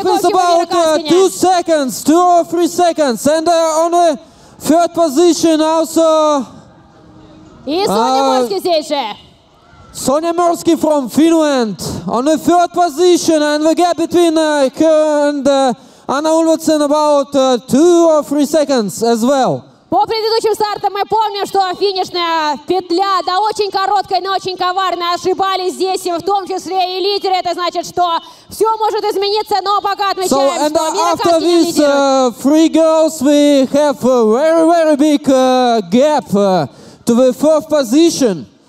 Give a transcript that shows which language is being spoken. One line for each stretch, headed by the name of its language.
English: The gap is about 2 seconds, 2 or 3 seconds, and on the third position also. Is Sonja Morski. Sonja Morski from Finland on the third position, and the gap between her and Anna Ulvensen about 2 or 3 seconds as well.
Russian: По предыдущим стартам мы помним, что финишная петля, да, очень короткая, но очень коварная. Ошибались здесь, в том числе и лидеры. Это значит, что все может измениться, но пока отмечаем, что Мира Каскинен лидирует.
English: So, and after these three girls, we have a very, very big gap to the fourth position.